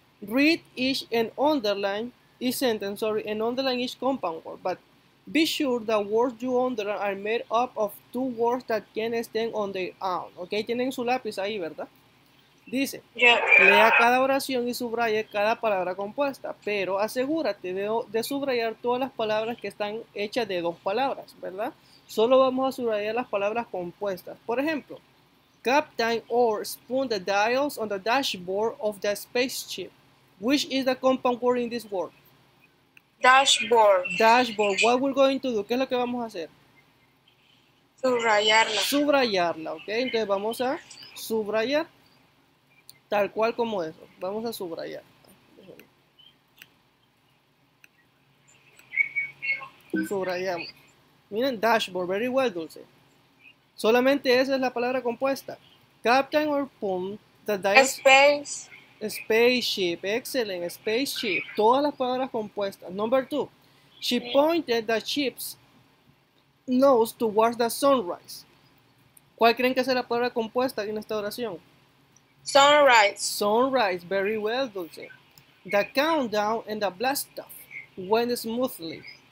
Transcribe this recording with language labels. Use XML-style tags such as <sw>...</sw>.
<en>Read each and underline each sentence, sorry, and underline each compound word. But be sure the words you underline are made up of two words that can stand on their own.</en> <es>¿Ok? Tienen su lápiz ahí, ¿verdad? Dice, lea cada oración y subraye cada palabra compuesta, pero asegúrate de subrayar todas las palabras que están hechas de dos palabras, ¿verdad? Solo vamos a subrayar las palabras compuestas. Por ejemplo,</es> <en>Captain Orr spooned the dials on the dashboard of the spaceship. Which is the compound word in this word? Dashboard.</en> <es>Dashboard.</es> <en>What we're going to do?</en> <es>¿Qué es lo que vamos a hacer? Subrayarla. Subrayarla, ¿ok? Entonces vamos a subrayar. Tal cual como eso. Vamos a subrayar. Subrayamos. Miren, dashboard.</es> <en>Very well,</en> <es>Dulce. Solamente esa es la palabra compuesta.</es> <en>Captain or pump. The dials. Space. Spaceship. Excellent. Spaceship.</en> <es>Todas las palabras compuestas.</es> <en>Number two. She pointed the ship's nose towards the sunrise.</en> <es>¿Cuál creen que sea la palabra compuesta en esta oración?</es> <en>Sunrise. Sunrise, very well, Dulce. The countdown and the blast off went smoothly.</en>